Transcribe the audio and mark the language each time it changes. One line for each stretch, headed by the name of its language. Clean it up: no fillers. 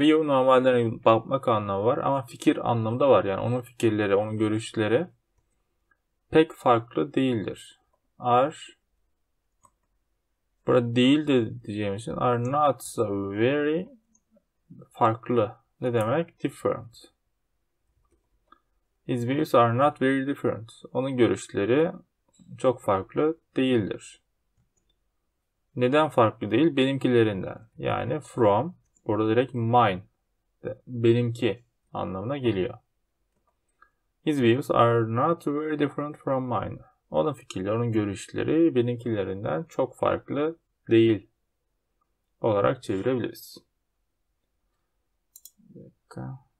Turkish: View normallerine bakmak anlamı var ama fikir anlamı da var. Yani onun fikirleri, onun görüşleri pek farklı değildir. Are burada değil de diyeceğim için
English: are not very
Turkish: farklı. Ne demek? Different.
English: His views are not very different.
Turkish: Onun görüşleri çok farklı değildir. Neden farklı değil? Benimkilerinden. Yani from. Burada direkt mine. Benimki anlamına geliyor.
English: His views are not very different from mine.
Turkish: Onun fikirleri, onun görüşleri benimkilerinden çok farklı değil olarak çevirebiliriz. Bir dakika.